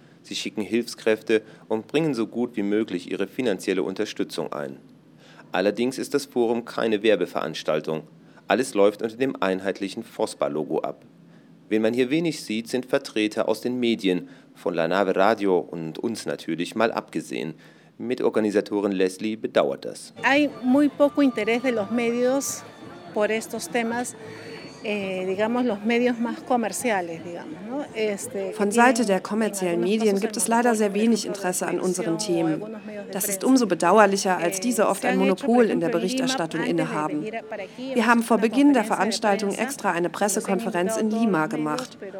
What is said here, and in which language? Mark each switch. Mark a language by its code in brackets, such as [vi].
[de] Sie schicken Hilfskräfte und bringen so gut wie möglich ihre finanzielle Unterstützung ein. Allerdings ist das Forum keine Werbeveranstaltung. Alles läuft unter dem einheitlichen FOSPA-Logo ab. Wen man hier wenig sieht, sind Vertreter aus den Medien, von La Nave Radio und uns natürlich mal abgesehen. Mitorganisatorin Leslie bedauert das. [es] Hay muy poco interés de los medios por estos temas. [de] Von Seite der kommerziellen Medien gibt es leider sehr wenig Interesse an unseren Themen. Das ist umso bedauerlicher, als diese oft ein Monopol in der Berichterstattung innehaben. Wir haben vor Beginn der Veranstaltung extra eine Pressekonferenz in Lima gemacht.